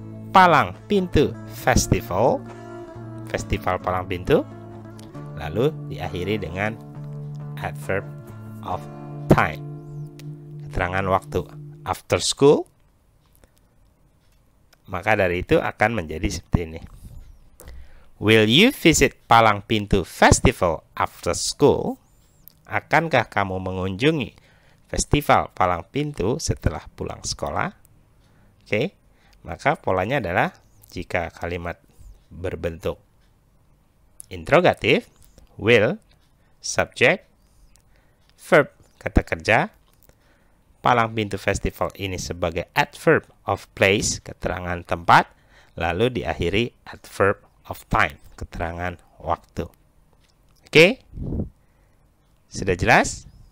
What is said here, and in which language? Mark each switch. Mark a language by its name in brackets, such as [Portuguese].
[Indonesian] Palang Pintu Festival. Festival Palang Pintu. Lalu diakhiri dengan adverb of time. Keterangan waktu. [English] After school. [Indonesian] Maka dari itu akan menjadi seperti ini. [English] Will you visit Palang Pintu Festival after school? [Indonesian] Akankah kamu mengunjungi Festival Palang Pintu setelah pulang sekolah? Oke. Okay. Maka polanya adalah jika kalimat berbentuk interrogatif, will, subject, verb, kata kerja, Palang Pintu Festival ini sebagai adverb of place, keterangan tempat, lalu diakhiri adverb of time, keterangan waktu. Oke? Sudah jelas?